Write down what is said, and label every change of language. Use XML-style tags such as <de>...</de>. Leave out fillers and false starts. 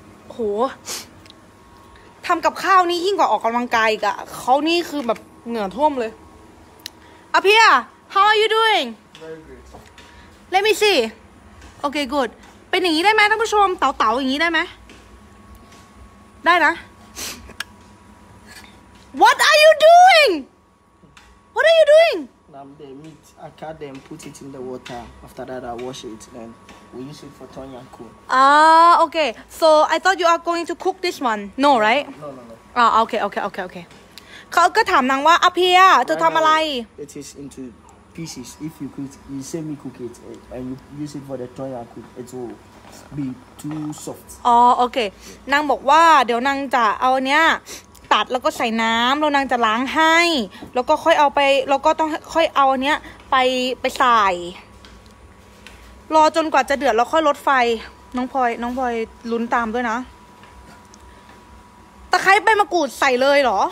<th>โหทำกับข้าวนี่ยิ่งกว่าออกกำลังกายอีกอ่ะเขานี่คือแบบเหงื่อท่วมเลยอะพี่อ่ะ</th> <en>How are you doing? Very good Let me see Okay good</en> <th>เป็นอย่างนี้ได้ไหมท่านผู้ชมเต๋าๆอย่างนี้ได้ไหมได้นะ</th> <en>What are you doing? What are you doing? The meat, I cut them, put it in the water. After that, I wash it and we use it for tom yum soup. Okay. So I thought you are going to cook this one. No, right? No. Okay.</en> <th>เขาก็ถามนางว่าอภิยาเธอทำอะไร</th> <en>It is into pieces. If you cook, you see me cook it and you use it for the tom yum soup. It will. Be too soft</en> <th>อ๋อโอเคนางบอกว่าเดี๋ยวนางจะเอาเนี้ยตัดแล้วก็ใส่น้ำแล้วนางจะล้างให้แล้วก็ค่อยเอาไปแล้วก็ต้องค่อยเอาเนี้ยไปใส่รอจนกว่าจะเดือดแล้วค่อยลดไฟน้องพลอยลุ้นตามด้วยนะตะไคร้ใบมะกรูดใส่เลยเหร</th>